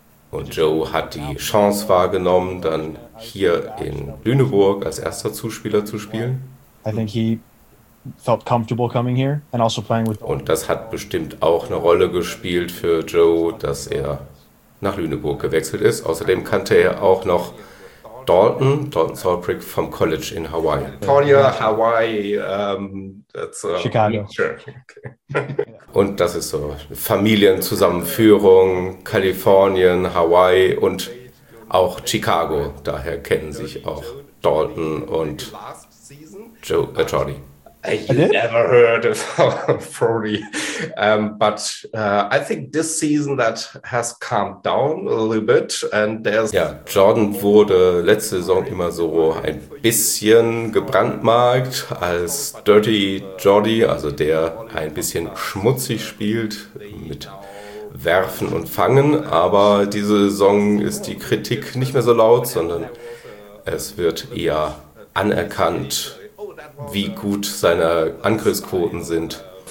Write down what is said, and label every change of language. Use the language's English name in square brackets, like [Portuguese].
[German] Und Joe hat die Chance wahrgenommen, dann hier in Lüneburg als erster Zuspieler zu spielen. [English] Felt comfortable coming here and also playing with. [German] Und das hat bestimmt auch eine Rolle gespielt für Joe, dass er nach Lüneburg gewechselt ist. Außerdem kannte er auch noch Dalton Saltbrick vom College in Hawaii. [English] California, Hawaii, Chicago. [German] Und das ist so Familienzusammenführung, Kalifornien, Hawaii und auch Chicago. Daher kennen sich auch Dalton und Joe, Jordi. [English] You never heard of Frody. But I think this season that has calmed down a little bit. And there's [German] ja, Jordan wurde letzte Saison immer so ein bisschen gebrandmarkt als Dirty Jordy, also der ein bisschen schmutzig spielt mit Werfen und Fangen. Aber diese Saison ist die Kritik nicht mehr so laut, sondern es wird eher anerkannt, wie gut seine Angriffsquoten sind.